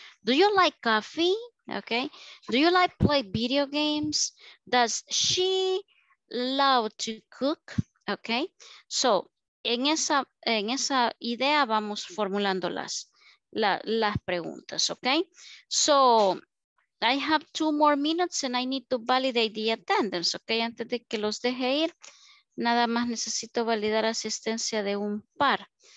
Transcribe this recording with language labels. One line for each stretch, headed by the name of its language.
English: Do you like coffee? Okay. Do you like play video games? Does she love to cook? Okay.
Spanish: So, en esa idea vamos formulando las preguntas, okay?
English: So, I have 2 more minutes and I need to validate the attendance, okay?
Spanish: Antes de que los deje ir, nada más necesito validar asistencia de un par.